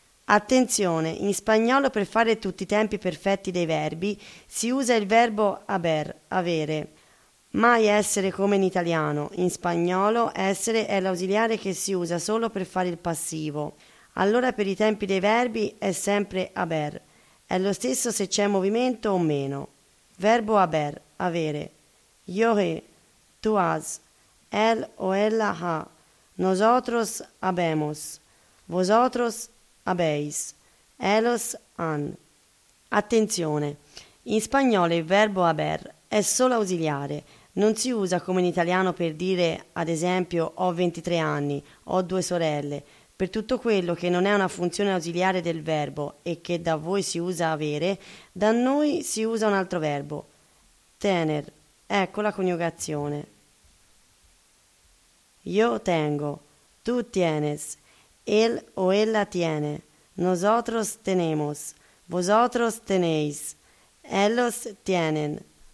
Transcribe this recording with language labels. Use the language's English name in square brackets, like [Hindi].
[Italian] Attenzione, in spagnolo per fare tutti i tempi perfetti dei verbi si usa il verbo haber, avere. Mai essere come in italiano. In spagnolo essere è l'ausiliare che si usa solo per fare il passivo. Allora per i tempi dei verbi è sempre haber. È lo stesso se c'è movimento o meno. Verbo haber, avere. [Spanish] Yo he, tu has, él o ella ha, nosotros habemos, vosotros habéis, ellos han. [Italian] Attenzione, in spagnolo il verbo haber è solo ausiliare, non si usa come in italiano per dire, ad esempio, ho 23 anni, ho due sorelle. Per tutto quello che non è una funzione ausiliare del verbo e che da voi si usa avere, da noi si usa un altro verbo, tener. Ecco la coniugazione. [Spanish] Yo tengo, tu tienes, él o ella tiene. Nosotros tenemos, vosotros tenéis, ellos tienen.